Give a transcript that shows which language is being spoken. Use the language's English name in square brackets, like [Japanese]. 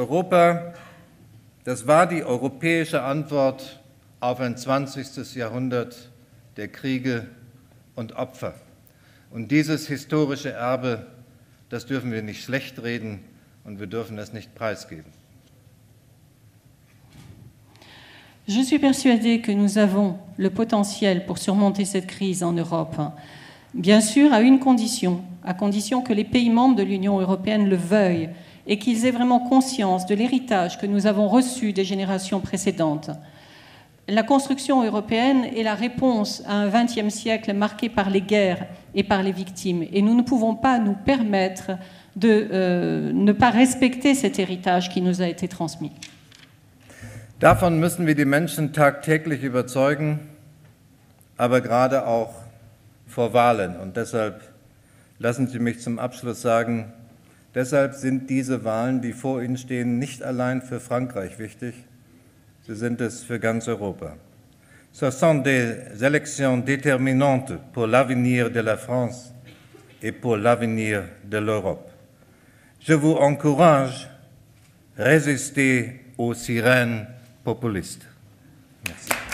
[German] Europa, das war die europäische Antwort auf ein 20. Jahrhundert der Kriege und Opfer. Und dieses historische Erbe, das dürfen wir nicht schlecht reden und wir dürfen es nicht preisgeben. [French] Je suis persuadée que nous avons le potentiel pour surmonter cette crise en Europe. Bien sûr, à une condition, à condition que les pays membres de l'Union européenne le veuillent et qu'ils aient vraiment conscience de l'héritage que nous avons reçu des générations précédentes. La construction européenne est la réponse à un XXe siècle marqué par les guerres et par les victimes. Et nous ne pouvons pas nous permettre de ne pas respecter cet héritage qui nous a été transmis. [German] Davon müssen wir die Menschen tagtäglich überzeugen, aber gerade auch vor Wahlen. Und deshalb lassen Sie mich zum Abschluss sagen, deshalb sind diese Wahlen, die vor Ihnen stehen, nicht allein für Frankreich wichtig, sie sind es für ganz Europa. [French] Ce sont des élections déterminantes pour l'avenir de la France et pour l'avenir de l'Europe. Je vous encourage, résistez aux sirènes populistes. Merci.